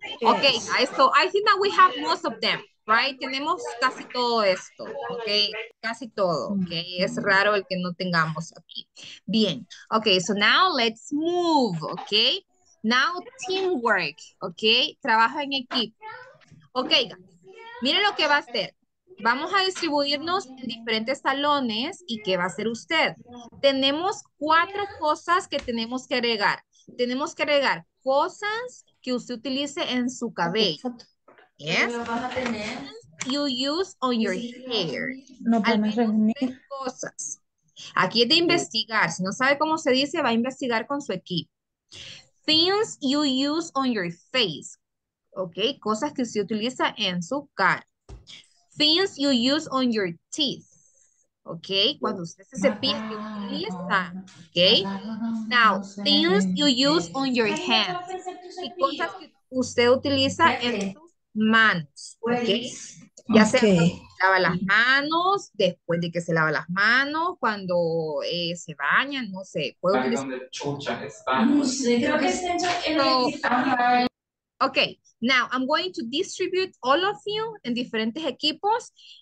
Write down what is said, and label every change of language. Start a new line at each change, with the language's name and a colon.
English: Okay, guys, so I think that we have most of them.
Spanish: Right, tenemos casi todo esto, okay, casi todo, okay, es raro el que no tengamos aquí.
English: Bien, okay, so now let's move, okay, now teamwork, okay,
Spanish: trabajo en equipo. Okay, guys, miren lo que va a hacer, vamos a distribuirnos en diferentes salones y ¿qué va a hacer usted? Tenemos cuatro cosas que tenemos que agregar cosas que usted utilice en su cabello.
English: Yes, you use on your hair.
Spanish: No, tres cosas. Aquí es de investigar. Si no sabe cómo se dice, va a investigar con su equipo.
English: Things you use on your face.
Spanish: Okay, cosas que se utiliza en su cara.
English: Things you use on your teeth. Okay,
Spanish: cuando usted se cepilla, ¿qué utiliza?
English: Okay, now, things you use on your hands.
Spanish: Y cosas que usted utiliza en su manos, okay. Ya se lava las manos, después de que se lava las manos, cuando se bañan, no sé. ¿Puedo utilizar? ¿Dónde chucha está? No sé, creo que está en el...
English: Ok, now I'm going to distribute all of you
Spanish: en diferentes equipos.